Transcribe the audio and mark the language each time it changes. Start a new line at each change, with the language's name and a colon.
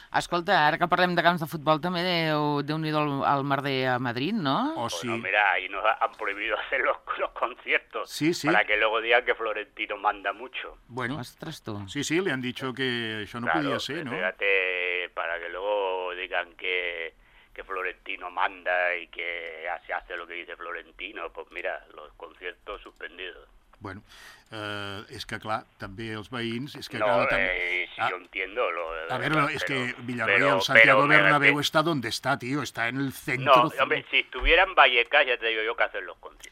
Catalan: Escolta, ara que parlem de camps de futbol, també déu-n'hi-do el merder a Madrid, no?
Spanish: Mira, ahí nos han prohibido hacer los conciertos. Sí. Para que luego digan que Florentino manda mucho. Bueno.
Catalan: Ostres, tú.
Spanish: Sí, le han dicho que
Catalan: això no podia ser,
Spanish: ¿no? Espérate, para que luego digan que Florentino manda y que se hace lo que dice Florentino, pues mira, los conciertos suspendidos.
Catalan: Bueno, és que clar, també els veïns... És que no, clar,
Spanish: yo entiendo. Que Villarreal, el Santiago Bernabéu está donde está, tío, está en el centro... No, hombre, si estuviera en Vallecas, ya te digo yo que hacen los conciertos.